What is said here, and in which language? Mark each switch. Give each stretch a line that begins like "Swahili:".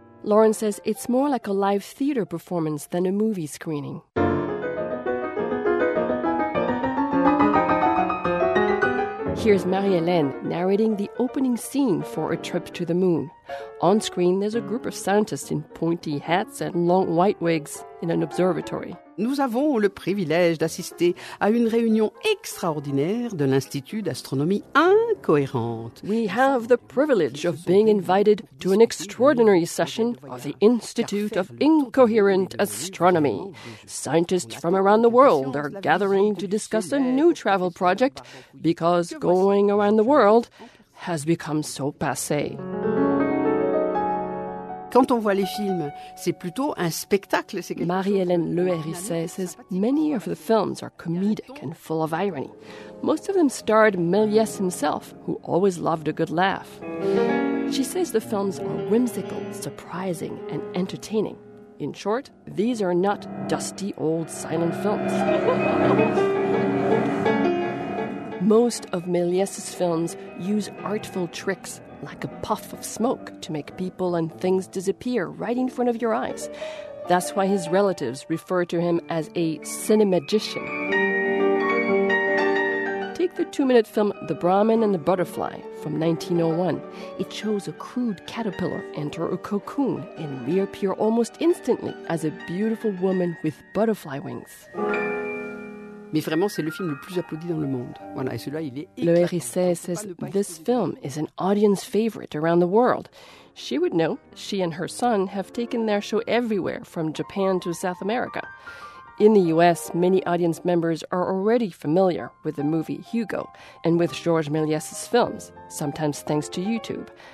English: Lawrence says it's more like a live theater performance than a movie screening. Here's Marie-Hélène narrating the opening scene for A Trip to the Moon. On screen, there's a group of scientists in pointy hats and long white wigs in an observatory.
French: Nous avons le privilège d'assister à une réunion extraordinaire de l'Institut d'astronomie incohérente.
English: We have the privilege of being invited to an extraordinary session of the Institute of Incoherent Astronomy. Scientists from around the world are gathering to discuss a new travel project because going around the world has become so passé.
French: Quand on voit les films, c'est plutôt un spectacle. C'est quelque
English: Marie-Hélène Le Hérisset says many of the films are comedic and full of irony. Most of them starred Méliès himself, who always loved a good laugh. She says the films are whimsical, surprising, and entertaining. In short, these are not dusty old silent films. Most of Méliès's films use artful tricks, like a puff of smoke, to make people and things disappear right in front of your eyes. That's why his relatives refer to him as a cinemagician. Take the two-minute film The Brahmin and the Butterfly from 1901. It shows a crude caterpillar enter a cocoon and reappear almost instantly as a beautiful woman with butterfly wings.
French: Mais vraiment, c'est le film le plus applaudi dans le monde. Voilà, et celui-là, il est.
English: Le Hérisset says this film is an audience favorite around the world. She would know. She and her son have taken their show everywhere, from Japan to South America. In the U.S., many audience members are already familiar with the movie Hugo and with Georges Méliès's films, sometimes thanks to YouTube.